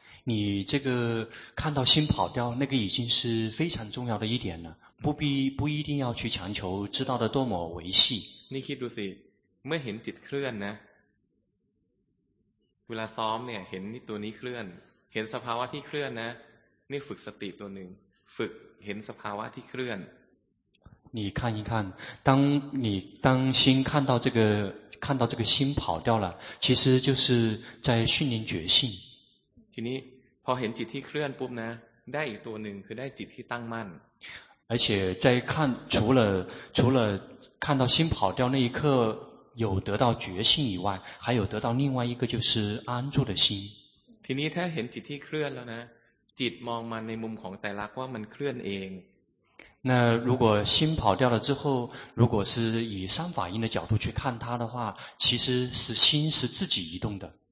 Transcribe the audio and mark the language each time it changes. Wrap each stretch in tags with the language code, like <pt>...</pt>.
<zh>你这个看到心跑掉那个已经是非常重要的一点了不一定要去强求知道的多么维系</zh> <th>นี่คิดดูสิเมื่อเห็นจิตเคลื่อนนะเวลาซ้อมเนี่ยเห็นตัวนี้เคลื่อนเห็นสภาวะที่เคลื่อนนะนี่ฝึกสติตัวหนึ่งฝึกเห็นสภาวะที่เคลื่อน</th> <zh>你看一看当心看到这个心跑掉了其实就是在训练觉性</zh> <th>ทีนี้พอเห็นจิตที่เคลื่อนปุ๊บนะได้อีกตัวหนึ่งคือได้จิตที่ตั้งมั่น</th> <zh>而且在看除了看到心跑掉那一刻有得到觉性以外还有得到另外一个就是安住的心</zh> <th>ทีนี้ถ้าเห็นจิตที่เคลื่อนแล้วนะจิตมองมาในมุมของไตรลักษณ์ว่ามันเคลื่อนเอง</th> <zh>那如果心跑掉了之后如果是以三法印的角度去看它的话其实是心是自己移动的</zh>